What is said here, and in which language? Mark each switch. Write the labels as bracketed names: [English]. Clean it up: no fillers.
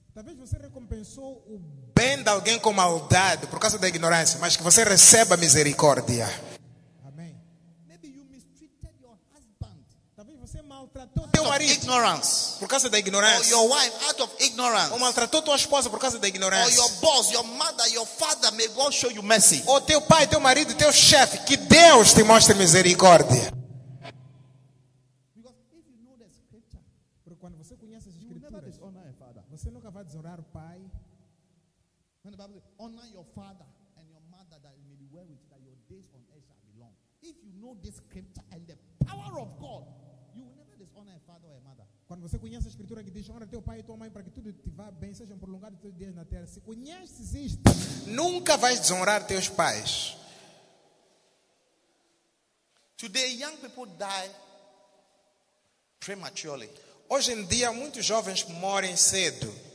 [Portuguese] Talvez você recompensou o bem de alguém com maldade por causa da ignorância, mas que você receba misericórdia. Amém. [English] Maybe you mistreated your husband. [Portuguese] Talvez você maltratou teu marido [English] ignorance. [Portuguese] Por causa da ignorância. [English] Or your wife out of ignorance. [Portuguese] Ou maltratou tua esposa por causa da ignorância. [English] Or your boss, your mother, your father, may God show you mercy. [Portuguese] Ou teu pai, teu marido, teu chefe, que Deus te mostre misericórdia. [English] Because if you know the scripture, [Portuguese] porque quando você conhece as escrituras, [English] you never dishonor a father. [Portuguese] Você nunca vai desonrar o pai. [English] When the Bible says, "Honor your father and your mother, that it may be well with you, that your days on earth shall be long." If you know this scripture and the power of God, you will never dishonor a father or a mother. [Portuguese] Quando você conhece a escritura que diz, honra teu pai e tua mãe para que tudo te vá bem, sejam prolongados teus dias na terra. Se conheces isto, nunca vais desonrar teus pais. [English] Today, young people die prematurely. [Portuguese] Hoje em dia, muitos jovens morrem cedo.